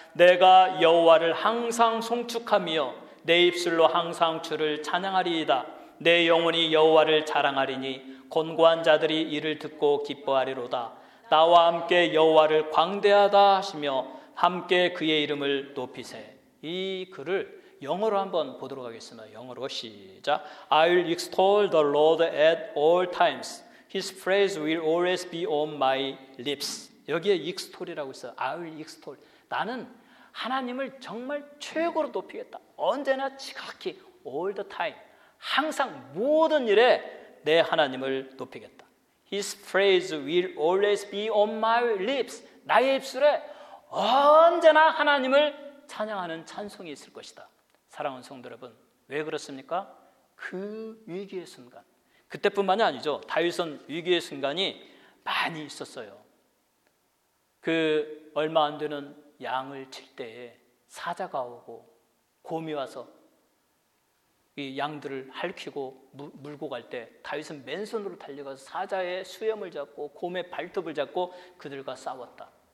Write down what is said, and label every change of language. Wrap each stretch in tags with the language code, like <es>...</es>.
<ko>내가 여호와를 항상 송축하며 내 입술로 항상 주를 찬양하리이다. 내 영혼이 여호와를 자랑하리니 곤고한 자들이 이를 듣고 기뻐하리로다. 나와 함께 여호와를 광대하다 하시며 함께 그의 이름을 높이세. 이 글을 영어로 한번 보도록 하겠습니다. 영어로 시작.</ko> <en>I will extol the Lord at all times. His praise will always be on my lips.</en> <ko>여기에 익스톨이라고 있어요.</ko> <en>I will extol.</en> <ko>나는 하나님을 정말 최고로 높이겠다. 언제나 지극히</ko> <en>all the time.</en> <ko>항상 모든 일에 내 하나님을 높이겠다.</ko> <en>His praise will always be on my lips.</en> <ko>나의 입술에 언제나 하나님을 찬양하는 찬송이 있을 것이다. 사랑하는 성도 여러분, 왜 그렇습니까? 그 위기의 순간. 그때뿐만이 아니죠. 다윗은 위기의 순간이 많이 있었어요. 그 얼마 안 되는 양을 칠 때에 사자가 오고 곰이 와서 이 양들을 핥히고 물고 갈 때 다윗은 맨손으로 달려가서 사자의 수염을 잡고 곰의 발톱을 잡고 그들과 싸웠다.</ko>